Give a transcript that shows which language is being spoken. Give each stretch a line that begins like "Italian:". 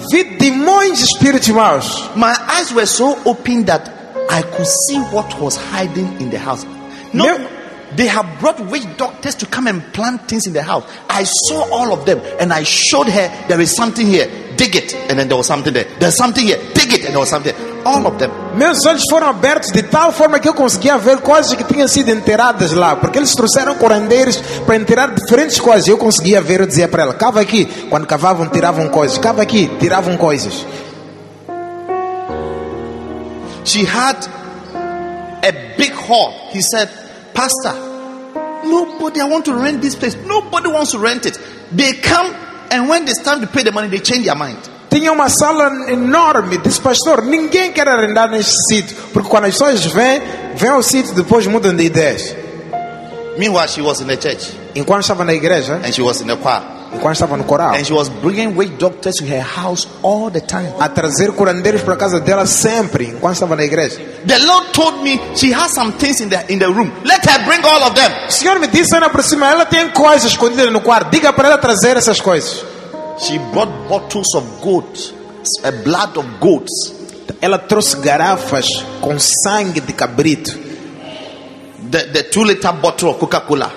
Portuguese: Vi demônios e espíritos maus.
English: My eyes were so open that I could see what was hiding in the house. No, they have brought witch doctors to come and plant things in the house. I saw all of them and I showed her there is something here. Dig it. And then there was something there. There's something here. Dig it. And there was something there. All of them.
Portuguese: Meus olhos foram abertos de tal forma que eu conseguia ver coisas que tinham sido enterradas lá. Porque eles trouxeram curandeiros para enterrar diferentes coisas. Eu conseguia ver, eu dizia para ela, cava aqui. Quando cavavam, tiravam coisas. Cava aqui, tiravam coisas.
English: She had a big hall. He said, Pastor, nobody, I want to rent this place. Nobody wants to rent it. They come and when it's time to pay the money, they change their mind.
Portuguese: Tinha uma sala enorme desse pastor. Ninguém quer arrendar neste sítio. Porque quando as pessoas vêm, vêm ao sítio, depois mudam de ideias.
English: Meanwhile, she was in the church.
Portuguese: Enquanto estava na igreja.
English: And she was in the choir.
Portuguese: Enquanto estava no coral.
English: And she was bringing witch doctors to her house all the time.
Portuguese: A trazer curandeiros para a casa dela sempre. Enquanto estava na igreja.
English: The Lord told me she has some things in the room. Let her bring all of them.
Portuguese: O Senhor me disse, olha para cima, ela tem coisas escondidas no quarto. Diga para ela trazer essas coisas.
English: She brought bottles of goat, a blood of goats.
Portuguese: Ela trouxe garrafas com sangue de cabrito.
English: The 2-liter bottle of Coca-Cola.